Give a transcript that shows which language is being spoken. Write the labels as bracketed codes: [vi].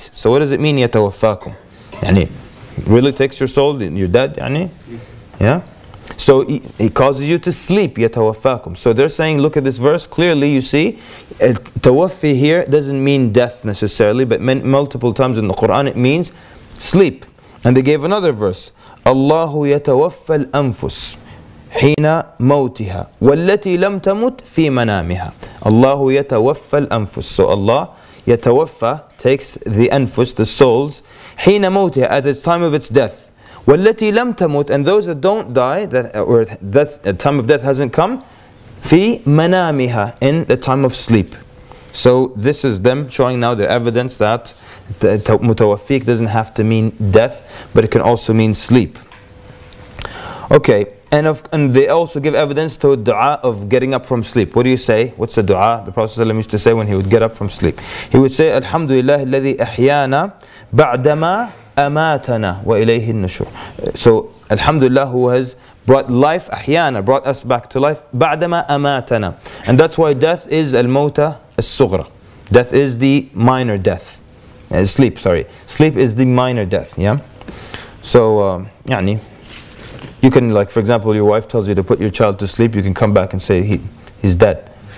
[en] So what does it mean, [ar] يَتَوَفَّاكُمْ? يعني [en] really takes your soul, you're dead, يعني, yeah. So he causes you to sleep, [ar] يتوفاكم. [en] So they're saying, look at this verse, clearly you see, [ar] توفي [en] here doesn't mean death necessarily, but multiple times in the Quran it means sleep. And they gave another verse, [ar] الله يتوفى الأنفس حين موتها والتي لم تمت في منامها. الله يتوفى الأنفس. [en] So Allah [ar] يتوفى [en] takes the anfus, the souls, [ar] حين موتها, [en] at its time of its death. [ar] والتي لم تموت, [en] and those that don't die, that time of death hasn't come, [ar] في منامها, [en] in the time of sleep. So this is them showing now their evidence that [ar] متوفيك [en] doesn't have to mean death, but it can also mean sleep. Okay, and they also give evidence to a dua of getting up from sleep. What do you say? What's the dua the Prophet ﷺ used to say when he would get up from sleep? He would say, Alhamdulillah [ar] الذي أحيانا بعدما أماتنا وإليه النشور. [en] So, Alhamdulillah, who has brought life, [ar] أحيانا, [en] brought us back to life, [ar] بعدما أماتنا. [en] And that's why death is [ar] الموتى الصغرى. [en] Death is the minor death. Sleep, sorry. Sleep is the minor death, yeah? So, [ar] يعني, [en] you can, like, for example, your wife tells you to put your child to sleep, you can come back and say, he's dead.